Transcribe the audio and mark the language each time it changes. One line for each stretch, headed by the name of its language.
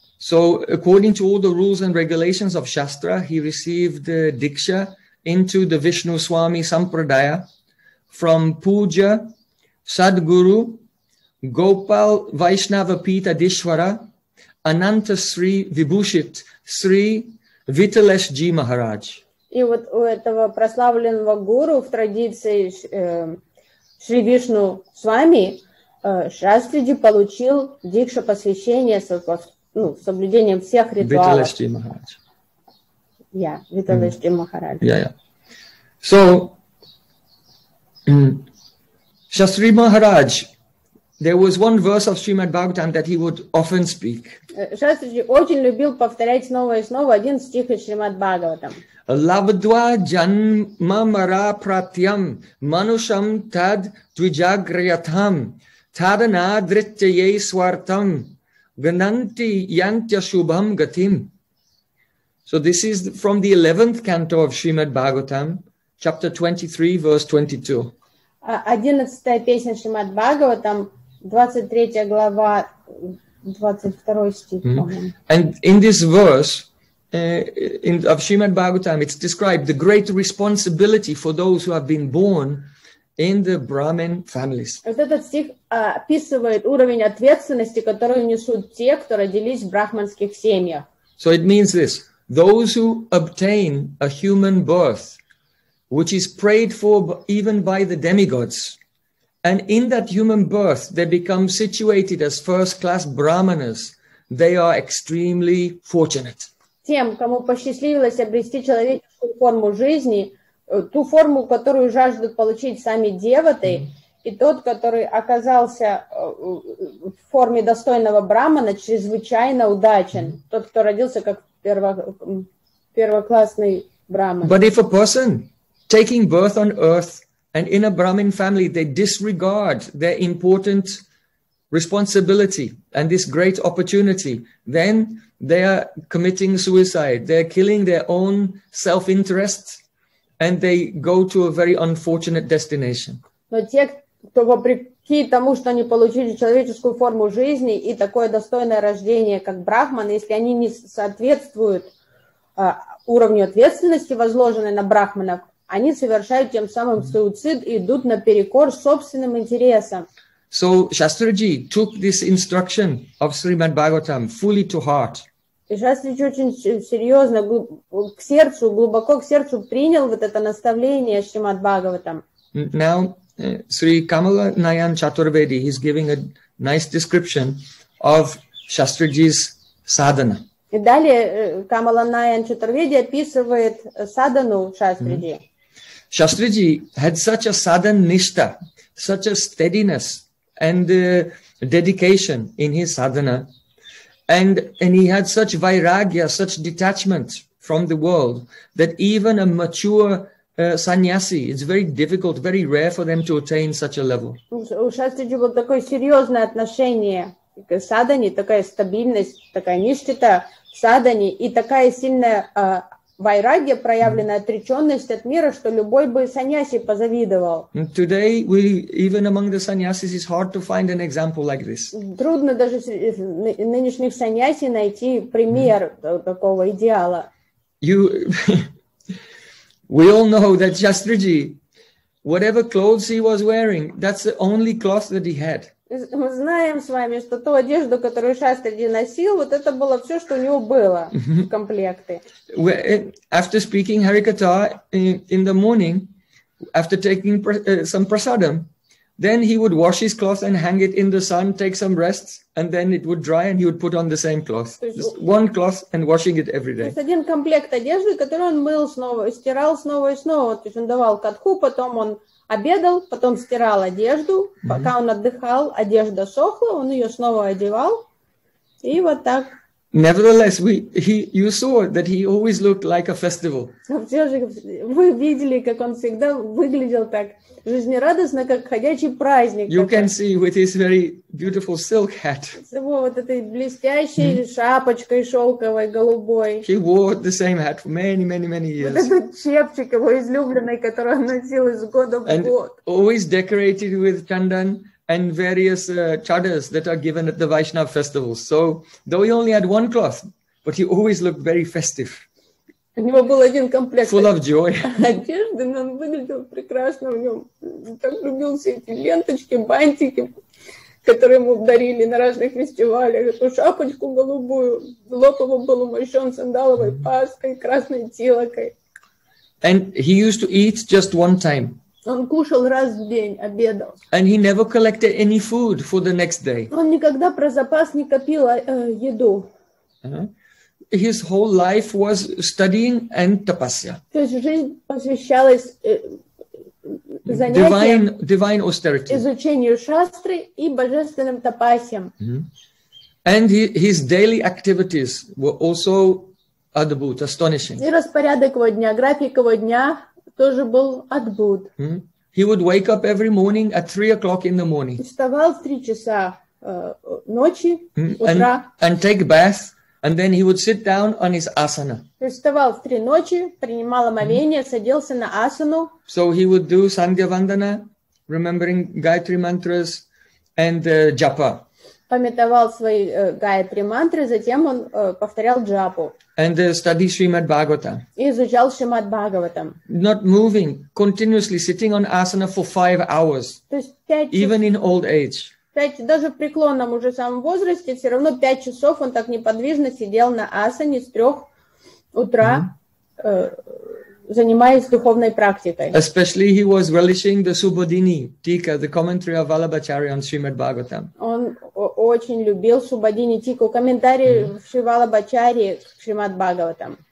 English: So, according to all the rules and regulations of Shastra, he received Diksha into the Vishnu Swami Sampradaya from Puja, Sadguru, Gopal Vaishnava Pita Dishwara, Ananta Sri Vibhushit, Sri Vitalesh Ji Maharaj.
Russian: И вот у этого прославленного гуру в традиции Шри Вишну Свами Шастриджи получил дикша посвящение соблюдением всех ритуалов.
English: Vitalesh Ji Maharaj. Yeah, Vitalesh Ji Maharaj. Yeah. So, Shastri Maharaj, there was one verse of Srimad Bhagavatam that he would often speak.
Russian: Шастриджи очень любил повторять снова и снова один стих из Шримад Бхагаватам.
Sanskrit: Лавдва джанма мара пратьям манушам тад двиджагриятам тадана дриттяе свартам гнанти янтя шубам гатим.
English: So this is from the 11th canto of Srimad Bhagavatam, chapter 23, verse 22. 11th
Russian: песня Шримад Бхагаватам, 23 глава, 22 стих.
English: And in this verse, of Srimad Bhagavatam, it's described the great responsibility for those who have been born in the Brahmin families.
Russian: Вот этот стих описывает уровень ответственности, которую несут те, кто родились в брахманских семьях.
English: So it means this: those who obtain a human birth, which is prayed for even by the demigods. And in that human birth, they become situated as first-class brahmanas. They are extremely fortunate.
Russian: Тем, кому посчастливилось обрести человеческую форму жизни, ту форму, которую жаждут получить сами деваты, и тот, который оказался в форме достойного брахмана, чрезвычайно удачен. Тот, кто родился как первоклассный брахман.
English: But if a person taking birth on earth and in a Brahmin family, they disregard their important responsibility and this great opportunity, then they are committing suicide. They're killing their own self-interest and they go to a very unfortunate destination.
Russian: Но те, кто вопреки тому, что они получили человеческую форму жизни и такое достойное рождение, как брахманы, если они не соответствуют уровню ответственности, возложенной на брахманов, они совершают тем самым суицид и идут наперекор собственным интересам.
English: So Shastriji took this instruction of Srimad Bhagavatam fully to heart.
Russian: И Шастриджи очень серьезно к сердцу, глубоко к сердцу принял вот это наставление Шримад Бхагаватам.
English: Now, Sri Kamala Nayan Chaturvedi is giving a nice description of Shastriji's sadhana.
Russian: И далее Камала Найан Чатурведи описывает садхану Шастриджи.
English: Shastriji had such a sadhan nishta, such a steadiness and dedication in his sadhana, and he had such vairagya, such detachment from the world, that even a mature sannyasi, it's very difficult, very rare for them to attain such a level.
Russian: У Шастриджи было такое серьезное отношение к садхане, такая стабильность, такая ништита в садхане, и такая сильная вайрагья, проявленная отреченность от мира, что любой бы саньяси позавидовал.
English: Today we, even among the sannyasis, it's hard to find an example like this.
Russian: Трудно даже нынешних саньяси найти пример такого идеала.
English: We all know that Shastriji, whatever clothes he was wearing, that's the only cloth that he had.
Russian: Мы знаем с вами, что ту одежду, которую Шастриджи носил, вот это было все, что у него было в комплекте.
English: After speaking Harikatha in the morning, after taking some prasadam, Then he would wash his cloth and hang it in the sun, take some rest, and then it would dry and he would put on the same cloth. Just one cloth and washing it every day.
Russian: То есть один комплект одежды, который он мыл снова и стирал снова и снова. То есть он давал катху, потом он обедал, потом стирал одежду, пока он отдыхал, одежда сохла, он ее снова одевал. И вот так.
English: Nevertheless, you saw that he always looked like a festival.
Russian: Вы видели, как он всегда выглядел так жизнерадостно, как ходячий праздник.
English: You can see with his very beautiful silk hat.
Russian: С его вот этой блестящей шапочкой шелковой голубой.
English: He wore the same hat for many, many, many years.
Russian: Вот этот чепчик его излюбленный, который он носил из года в год.
English: And always decorated with chandan. And various chadars that are given at the Vaishnava festivals. So, though he only had one cloth, but he always looked very festive.
Russian: У него был один комплект.
English: Full of joy.
Russian: Одежды, но он выглядел прекрасно в нем. Так любил все эти ленточки, бантики, которые ему дарили на разных фестивалях. Эту шапочку голубую, лоб его был умощен сандаловой паской, красной тилокой.
English: And he used to eat just one time.
Russian: Он кушал раз в день, обедал.
English: And he never collected any food for the next day.
Russian: Он никогда про запас не копил еду.
English: His whole life was studying and tapasya.
Russian: То есть жизнь посвящалась занятиям.
English: Divine austerity.
Russian: Изучению шастры и божественным тапасьям.
English: And his daily activities were also adbhut, astonishing.
Russian: И распорядок его дня, график его дня. Тоже был отбуд.
English: He would wake up every morning at 3 o'clock in the morning.
Russian: Вставал в 3 часа ночи, утра.
English: And take bath, and then he would sit down on his asana.
Russian: Вставал в 3 ночи, принимал омовение, садился на асану.
English: So he would do sandhya vandana, remembering Gayatri mantras and japa.
Russian: Памятовал свои гайатри мантры, затем он повторял джапу.
English: And study Shrimad Bhagavatam.
Russian: И изучал Шримад Бхагаватам.
English: Not moving, continuously sitting on asana for 5 hours.
Russian: То есть 5 часов.
English: Even in old age.
Russian: Даже в преклонном уже самом возрасте, все равно 5 часов он так неподвижно сидел на асане с 3 утра, занимаясь духовной практикой.
English: Especially he was relishing the Subodhini Tika, the commentary of Vallabhacharya on Shrimad Bhagavatam.
Russian: Он очень любил Субодини Тику, комментарии Шривалабхачари к Шримад Бхагаватам.